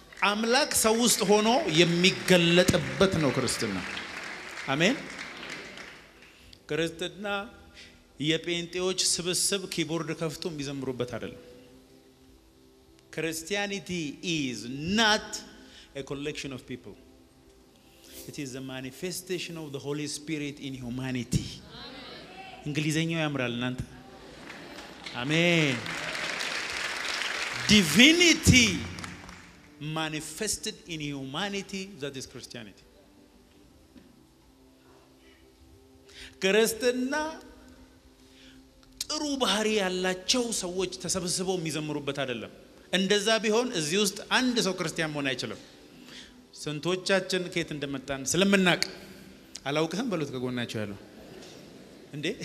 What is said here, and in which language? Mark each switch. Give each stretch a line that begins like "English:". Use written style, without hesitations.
Amharic: አምላክ ሰው ውስጥ ሆኖ የሚገለጥበት ነው ክርስትና። አሜን። ክርስትና የጴንጤዎች ስብስብ ኪቦርድ ከፍቶ የሚዘምሩበት አይደለም።
English: Christianity is not a collection of people. It is a manifestation of the Holy Spirit in humanity.
Amharic: እንግሊዘኛው ያምራል እናንተ? አሜን።
English: Divinity manifested in humanity, that is Christianity.
Amharic: ክርስትና ጥሩ ባህሪ ያላቸው ሰዎች ተሰብስበው የሚዘምሩበት አይደለም። እንደዛ ቢሆን እዚህ ውስጥ አንድ ሰው ክርስቲያን መሆን አይችልም። ስንቶቻችን ከየት እንደመጣን ስለምናቅ አላውቅም ብሎት ከጎናቸው ያለው እንዴ?